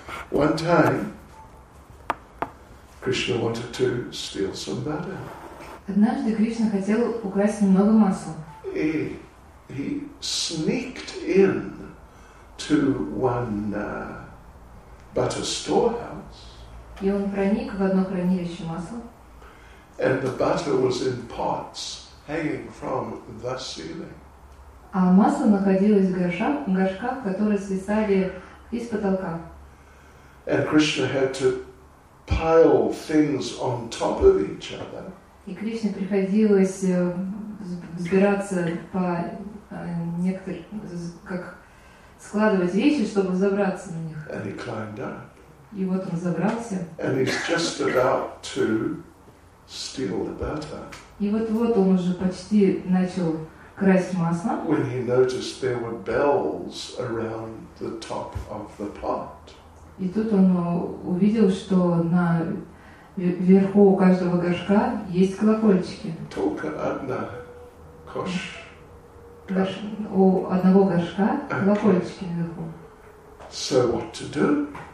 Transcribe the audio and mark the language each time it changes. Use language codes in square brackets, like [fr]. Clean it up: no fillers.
[en] One time, Krishna wanted to steal some butter. [ru] Однажды Кришна хотел украсть немного масла. [en] И he sneaked in to one butter storehouse. [ru] И он проник в одно хранилище масла. [en] And the butter was in pots hanging from the ceiling. [ru] А масло находилось в горшках, которые свисали из потолка. [en] And Krishna had to pile things on top of each other. [ru] И Кришне приходилось взбираться по некоторым, как складывать вещи, чтобы забраться на них. [en] And he climbed up. [ru] И вот он забрался. [en] And he's just about to steal the butter. [ru] И вот-вот он уже почти начал красть масло. [en] When he noticed there were bells around the top of the pot. [ru] И тут он увидел, что на верху каждого горшка есть колокольчики. Только одна кош. У одного горшка колокольчики наверху. [en] So what to do?